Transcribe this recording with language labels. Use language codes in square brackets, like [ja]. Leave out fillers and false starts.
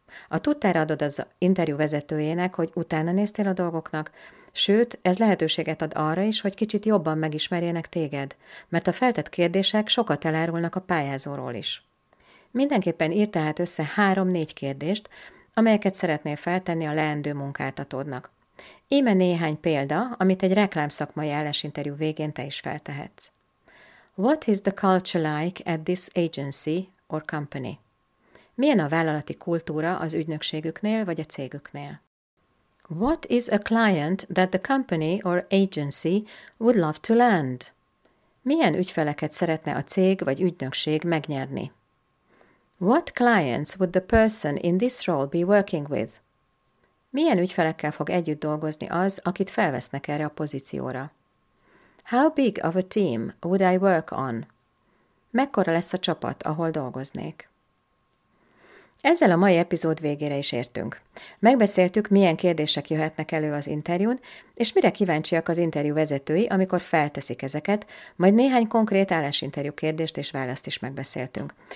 [hu] A tudtára adod az interjú vezetőjének, hogy utána néztél a dolgoknak, sőt, ez lehetőséget ad arra is, hogy kicsit jobban megismerjenek téged, mert a feltett kérdések sokat elárulnak a pályázóról is. Mindenképpen írd tehát össze 3-4 kérdést, amelyeket szeretnél feltenni a leendő munkáltatódnak. Íme néhány példa, amit egy reklámszakmai állásinterjú végén te is feltehetsz. [en] What is the culture like at this agency or company? [hu] Milyen a vállalati kultúra az ügynökségüknél vagy a cégüknél? [en] What is a client that the company or agency would love to land? [hu] Milyen ügyfeleket szeretne a cég vagy ügynökség megnyerni? [en] What clients would the person in this role be working with? [hu] Milyen ügyfelekkel fog együtt dolgozni az, akit felvesznek erre a pozícióra? [en] How big of a team would I work on? [hu] Mekkora lesz a csapat, ahol dolgoznék? Ezzel a mai epizód végére is értünk. Megbeszéltük, milyen kérdések jöhetnek elő az interjún, és mire kíváncsiak az interjú vezetői, amikor felteszik ezeket, majd néhány konkrét állásinterjú kérdést és választ is megbeszéltünk.